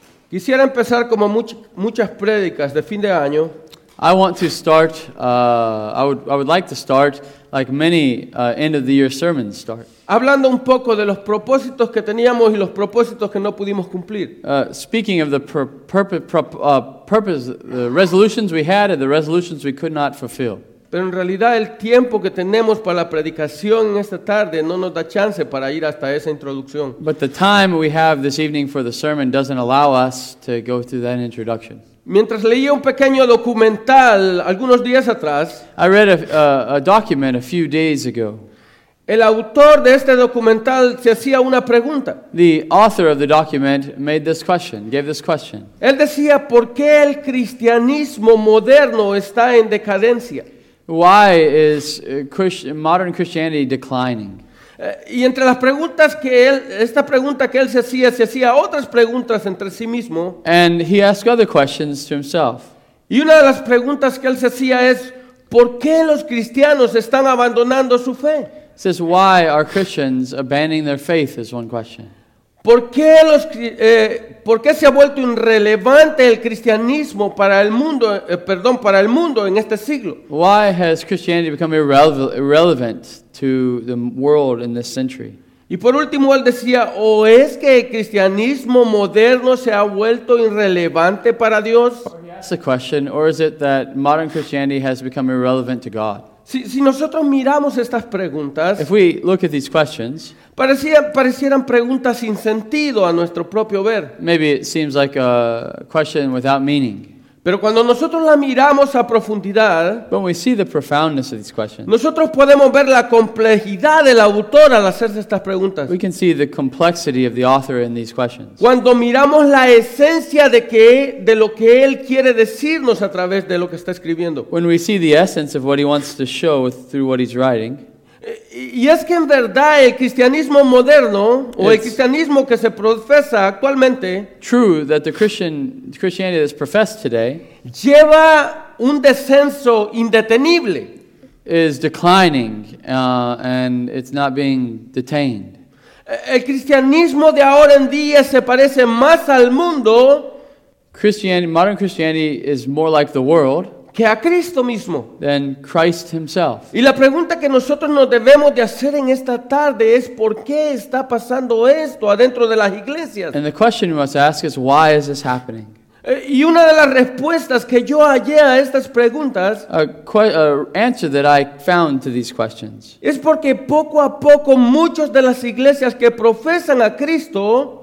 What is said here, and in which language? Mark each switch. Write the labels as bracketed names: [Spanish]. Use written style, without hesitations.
[Spanish] Quisiera empezar como muchas prédicas de fin de año. [English] I want to start, I would like to start, like many end of the year sermons start. [Spanish] Hablando un poco de los propósitos que teníamos y los propósitos que no pudimos cumplir. [English] Speaking of the purpose, the resolutions we had and the resolutions we could not fulfill. [Spanish] Pero en realidad el tiempo que tenemos para la predicación en esta tarde no nos da chance para ir hasta esa introducción. [English] But the time we have this evening for the sermon doesn't allow us to go through that introduction. [Spanish] Mientras leía un pequeño documental algunos días atrás, [English] I read a document a few days ago. [Spanish] El autor de este documental se hacía una pregunta. [English] The author of the document made this question, gave this question. [Spanish] Él decía, ¿por qué el cristianismo moderno está en decadencia? [English] Why is modern Christianity declining? [Spanish] Y entre las preguntas que él, esta pregunta que él se hacía otras preguntas entre sí mismo. [English] And he asked other questions to himself. [Spanish] Y una de las preguntas que él se hacía es, ¿por qué los cristianos están abandonando su fe? [English] It says, why are Christians abandoning their faith is one question. [Spanish] ¿Por qué los por qué se ha vuelto irrelevante el cristianismo para el mundo, para el mundo en este siglo? [English] Why has Christianity become irrelevant to the world in this century? [Spanish] Y por último él decía, ¿o es que el cristianismo moderno se ha vuelto irrelevante para Dios? [English] That's the question, or is it that modern Christianity has become irrelevant to God? [Spanish] Si nosotros miramos estas preguntas, [English] if we look at these questions, [Spanish] parecieran preguntas sin sentido a nuestro propio ver. [English] Maybe it seems like a question without meaning. [Spanish] Pero cuando nosotros la miramos a profundidad, [English] when we see the profoundness of these questions, [Spanish] nosotros podemos ver la complejidad del autor al hacerse estas preguntas. [English] We can see the complexity of the author in these questions. [Spanish] Cuando miramos la esencia de lo que él quiere decirnos a través de lo que está escribiendo. [English] When we see the essence of what he wants to show through what he's writing. [Spanish] Y es que en verdad el cristianismo moderno o el cristianismo que se profesa actualmente, [English] true that the Christianity that's professed today, [Spanish] lleva un descenso indetenible. [English] is declining and it's not being detained. [Spanish] El cristianismo de ahora en día se parece más al mundo. [English] Christianity, modern Christianity, is more like the world [Spanish] que a Cristo mismo. [English] Than Christ himself. [Spanish] Y la pregunta que nosotros nos debemos de hacer en esta tarde es ¿por qué está pasando esto adentro de las iglesias? [English] And the question we must ask is why is this happening? [Spanish] Y una de las respuestas que yo hallé a estas preguntas [English] answer that I found to these questions. [Spanish] Es porque poco a poco muchos de las iglesias que profesan a Cristo